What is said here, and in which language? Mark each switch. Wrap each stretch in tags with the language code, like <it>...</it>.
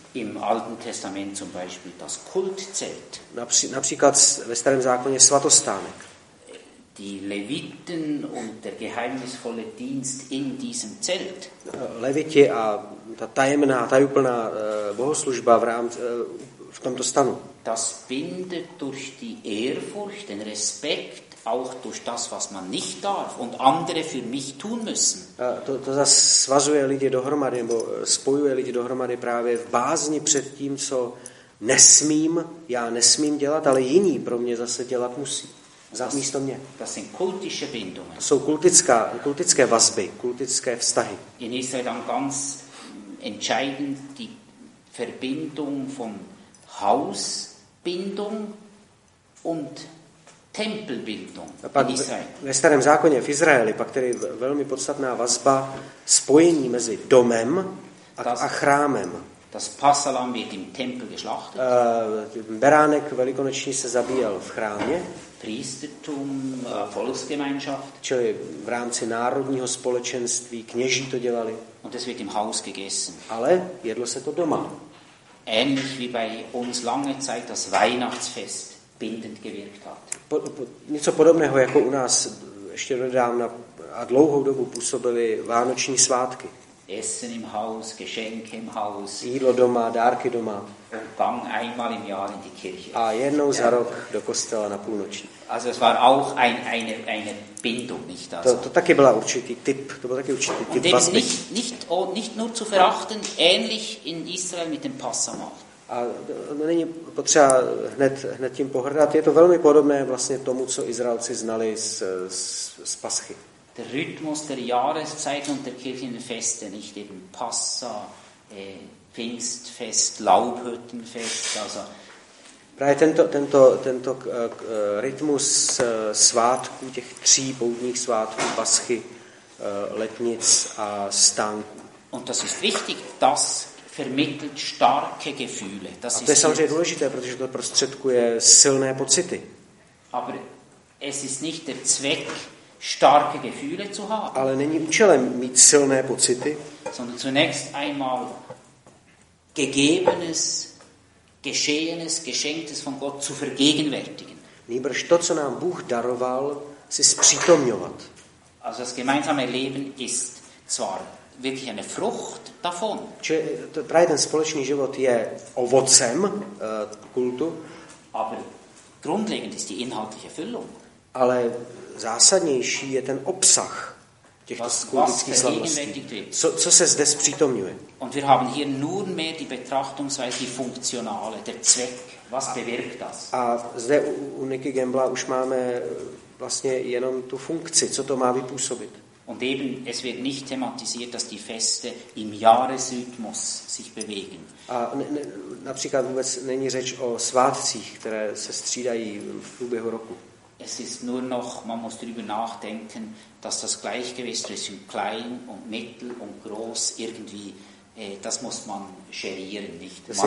<de>Im Alten Testament zum Beispiel das Kultzelt.</de> <cs>Například ve Starém zákoně svatostánek.</cs> <de>Die Leviten und der geheimnisvolle Dienst in diesem Zelt.</de> <cs>Leviti a ta tajemná, tajuplná bohoslužba v tomto stanu.</cs> <de>Das bindet durch die Ehrfurcht, den Respekt, auch durch das, was man nicht darf und andere für mich tun müssen.</de> <cs>To zase svazuje lidi dohromady, nebo spojuje lidi dohromady právě v bázni před tím, co nesmím, já nesmím dělat, ale jiní pro mě zase dělat musí. Místo mě.</cs> <de>Das sind kultische Bindungen.</de> <cs>To jsou kultické vazby, kultické vztahy.</cs> <de>In Israel dann ganz entscheidend die Verbindung von Hausbindung und Tempelbindung.</de> <cs>Ve Starém zákoně v Izraeli pak tedy velmi podstatná vazba spojení mezi domem a chrámem.</cs> <de>Das Passalam wird im Tempel geschlachtet.</de> <cs>Beránek velikonoční se zabíjel v chrámě.</cs> <de>Priestertum, Volksgemeinschaft.</de> <cs>Čili v rámci národního společenství kněží to dělali.</cs> <de>Und es wird im Haus gegessen.</de> <cs>Ale jedlo se to doma.</cs> <de>Ähnlich wie bei uns lange Zeit das Weihnachtsfest bindend gewirkt hat.</de> <cs>Něco podobného jako u nás ještě nedávno a dlouhou dobu působily vánoční svátky.</cs> <de>Essen im Haus, Geschenke im Haus.</de> <cs>Jídlo doma, dárky doma.</cs> <de>Gang einmal im Jahr in die Kirche.</de> <cs>A jednou za rok do kostela na půlnoční.</cs> <de>Also es war auch eine Bindung, nicht also.</de> <cs>To taky byla určitý typ. To byl taky určitý typ.</cs> <de>Und nicht nur zu verachten, ähnlich in Israel mit dem Passamal.</de> <cs>A není potřeba hned tím pohrdat. Je to velmi podobné vlastně tomu, co Izraelci znali z Paschy.</cs> <de>Der Rhythmus der Jahreszeiten und der Kirchenfeste, nicht eben Passa, Pfingstfest, Laubhüttenfest, also.</de> <cs>Právě tento rytmus svátků, těch tří poutních svátků, Paschy, letnic a stánků.</cs> <de>Und das ist wichtig, das vermittelt starke Gefühle.</de> <cs>Das a to je samozřejmě důležité, protože to prostředkuje silné pocity.</cs> <de>Aber es ist nicht der Zweck, starke Gefühle zu haben.</de> <cs>Ale není účelem mít silné pocity.</cs> <de>Sondern zunächst einmal gegebenes, geschehenes, geschenktes von Gott zu vergegenwärtigen.</de> <cs>Nýbrž to, co nám Bůh daroval, si zpřítomňovat.</cs> <de>Also das gemeinsame Leben ist zwar wirklich eine Frucht davon.</de> <cs>Právě ten společný život je ovocem kultu.</cs> <de>Aber grundlegend ist die inhaltliche Füllung.</de> <cs>Ale zásadnější je ten obsah těchto kultických slavností. Co se zde zpřítomňuje?</cs> <de>Und wir haben hier nur mehr die Betrachtungsweise, die funktionale, der Zweck. Was bewirkt das?</de> <cs>A zde u Nicky Gambla už máme vlastně jenom tu funkci, co to má vypůsobit.</cs> <de>Und eben, es wird nicht thematisiert, dass die Feste im Jahresrhythmus sich bewegen.</de> <cs>A například vůbec není řeč o svátcích, které se střídají v průběhu roku.</cs> <de>Es ist nur noch, man muss darüber nachdenken, dass das Gleichgewicht zwischen klein und mittel und groß irgendwie, das muss man scherieren, nicht?</de>